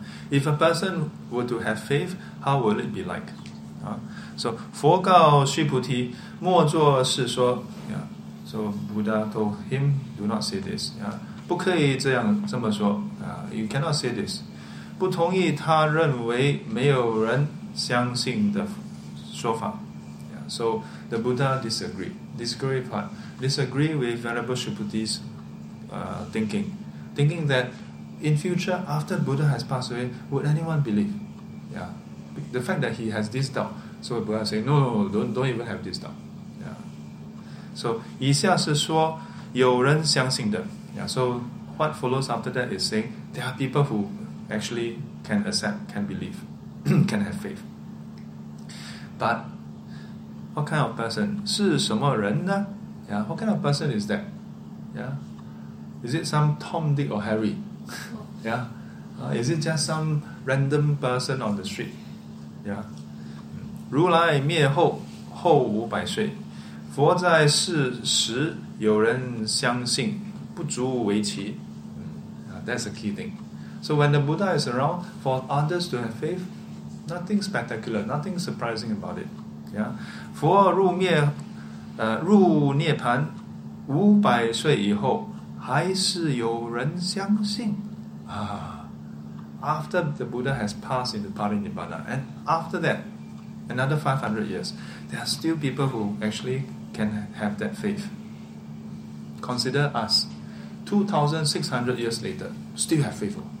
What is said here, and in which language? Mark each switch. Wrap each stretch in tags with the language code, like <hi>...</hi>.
<en>If a person were to have faith, how would it be like?</en> <zh>So 佛告须菩提，莫作是说。</zh> <en>So Buddha told him, do not say this.</en> <zh>不可以这样这么说。</zh> <en>You cannot say this.</en> <zh>不同意他认为没有人相信的说法。</zh> <en>So the Buddha disagree with Venerable Shibuti's thinking that in future after Buddha has passed away, would anyone believe? The fact that he has this doubt, so Buddha say no, don't even have this doubt.</en> <zh>So 以下是说有人相信的。</zh> <en>So what follows after that is saying there are people who. Actually, can accept, can believe, can have faith. But what kind of person?</en> <zh>是什么人呢?</zh> <en>What kind of person is that? Is it some Tom, Dick, or Harry? Is it just some random person on the street?</en> <zh>如来灭后，后五百岁，佛在世时有人相信，不足为奇。</zh> <en>That's the key thing. So when the Buddha is around, for others to have faith, nothing spectacular, nothing surprising about it.</en> <zh>佛入涅槃五百岁以后还是有人相信。</zh> <en>After the Buddha has passed into Parinibbana, and after that, another 500 years, there are still people who actually can have that faith. Consider us, 2,600 years later, still have faith.</en>